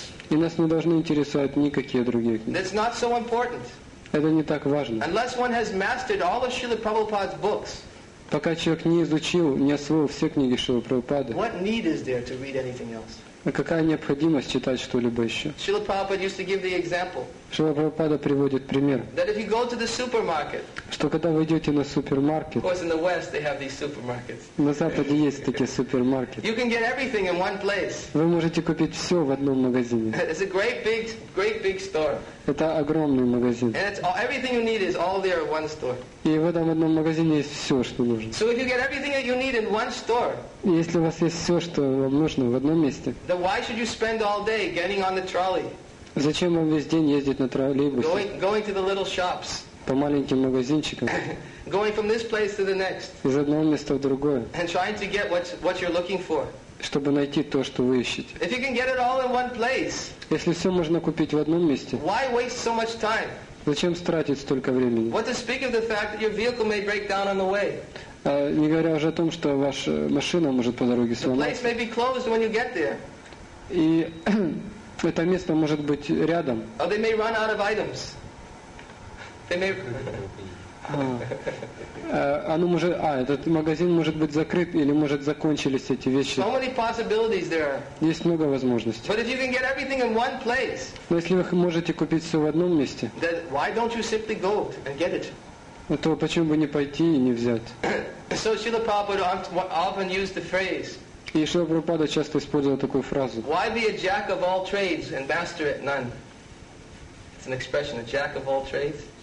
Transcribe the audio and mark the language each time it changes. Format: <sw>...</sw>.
<ru>И нас не должны интересовать никакие другие книги.</ru> <en>That's not so important.</en> <ru>Это не так важно.</ru> <en>Unless one has mastered all of Srila Prabhupada's books.</en> <ru>Пока человек не изучил, не освоил все книги Шрилы Прабхупады.</ru> <en>What need is there to read anything else?</en> <ru>А какая необходимость читать что-либо еще?</ru> <en>Шрила Прабхупада used to give the example.</en> <ru>Шрила Прабхупада приводит пример.</ru> <en>That if you go to the supermarket.</en> <ru>Что когда вы идете на супермаркет.</ru> <en>Of course, in the West they have these supermarkets.</en> <ru>На Западе есть такие супермаркеты.</ru> <en>You can get everything in one place.</en> <ru>Вы можете купить все в одном магазине.</ru> <en>It's a great big store.</en> <ru>Это огромный магазин.</ru> <en>And everything you need is all there in one store.</en> <ru>И в этом одном магазине есть все, что нужно.</ru> <en>So if you get everything that you need in one store.</en> <ru>Если у вас есть все, что вам нужно, в одном месте.</ru> <en>Then why should you spend all day getting on the trolley?</en> <ru>Зачем вам весь день ездить на троллейбусе?</ru> <en>Going to the little shops.</en> <ru>По маленьким магазинчикам.</ru> <en>Going from this place to the next.</en> <ru>Из одного места в другое.</ru> <en>And trying to get what you're looking for.</en> <ru>Чтобы найти то, что вы ищете.</ru> <en>If you can get it all in one place.</en> <ru>Если все можно купить в одном месте.</ru> <en>Why waste so much time?</en> <ru>Зачем тратить столько времени?</ru> <en>What to speak of the fact that your vehicle may break down on the way.</en> <ru>Не говоря уже о том, что ваша машина может по дороге сломаться.</ru> <en>The place may be closed when you get there.</en> <ru>И это место может быть рядом.</ru> <en>Or they may run out of items. They may.</en> <ru>Этот магазин может быть закрыт или может закончились эти вещи.</ru> <en>So many possibilities there are.</en> <ru>Есть много возможностей.</ru> <en>But if you can get everything in one place.</en> <ru>Но если вы можете купить все в одном месте.</ru> <en>Then why don't you simply go and get it?</en> <ru>То почему бы не пойти и не взять?</ru> <en>So Srila Prabhupada often used the phrase.</en> <ru>И Шрила Прабхупада часто использовал такую фразу.</ru> <en>Why be a jack of all trades and master at none? It's an expression, a jack of all trades.</en>